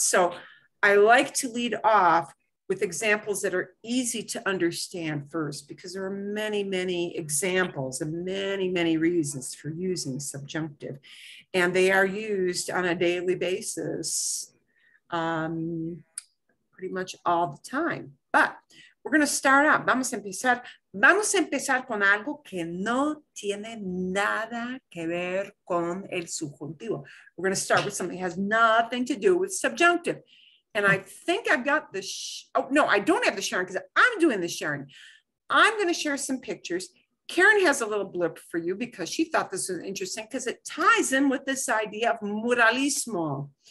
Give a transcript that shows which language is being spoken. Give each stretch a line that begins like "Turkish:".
English: So I like to lead off with examples that are easy to understand first, because there are many, many examples and many, many reasons for using subjunctive. And they are used on a daily basis pretty much all the time. But we're gonna start out.
Spanish: Vamos a empezar con algo que no tiene nada que ver con el subjuntivo.
English: We're gonna start with something that has nothing to do with subjunctive. And I think I've got the, I don't have the sharing, because I'm doing the sharing. I'm going to share some pictures. Karen has a little blip for you because she thought this was interesting, because it ties in with this idea of muralismo.